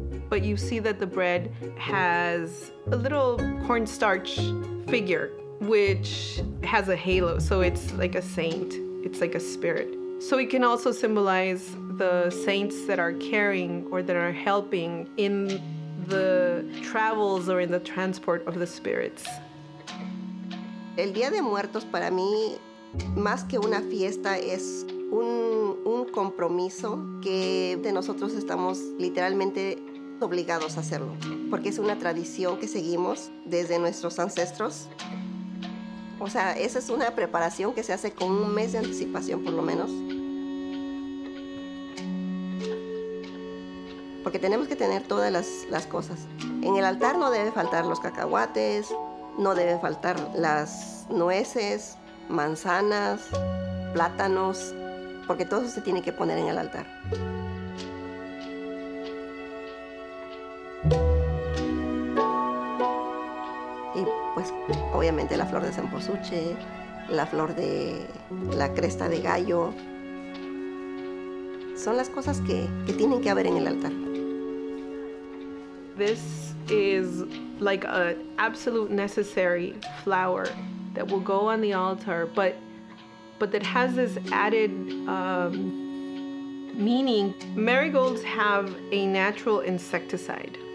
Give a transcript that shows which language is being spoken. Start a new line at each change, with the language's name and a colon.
English: But you see that the bread has a little cornstarch figure, which has a halo, so it's like a saint, it's like a spirit. So it can also symbolize the saints that are caring or that are helping in the travels or in the transport of the spirits.
Spanish: El Día de Muertos para mí, más que una fiesta, es un compromiso que de nosotros estamos literalmente obligados a hacerlo, porque es una tradición que seguimos desde nuestros ancestros. O sea, esa es una preparación que se hace con un mes de anticipación, por lo menos. Porque tenemos que tener todas las cosas. En el altar no deben faltar los cacahuates, no deben faltar las nueces, manzanas, plátanos, porque todo eso se tiene que poner en el altar. Y pues, obviamente, la flor de cempasúchil, la flor de la cresta de gallo. Son las cosas que tienen que haber en el altar.
English: This is like an absolute necessary flower that will go on the altar, but that has this added meaning. Marigolds have a natural insecticide.